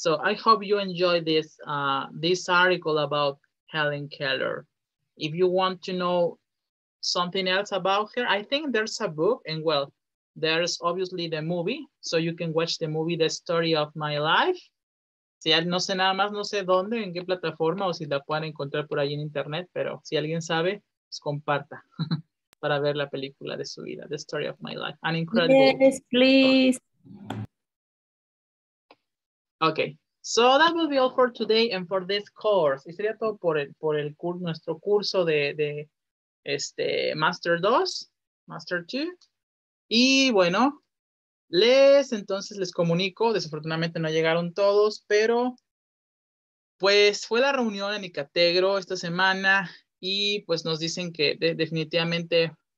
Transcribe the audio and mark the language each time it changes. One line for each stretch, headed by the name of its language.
English: So I hope you enjoyed this this article about Helen Keller. If you want to know something else about her, I think there's a book, and well, there's obviously the movie, so you can watch the movie, The Story of My Life.
Spanish: Si no sé nada más, no sé dónde, en qué plataforma, o si la pueden encontrar por ahí en internet, pero si alguien sabe, pues comparta para ver la película de su vida, The Story of My Life.
English: An incredible. Yes, please. Okay, so that will be all for today and for this course.
Spanish: Y sería todo por el nuestro curso de Master 2, Master 2. Y bueno, entonces les comunico, desafortunadamente no llegaron todos, pero pues fue la reunión en Icategro esta semana y pues nos dicen que definitivamente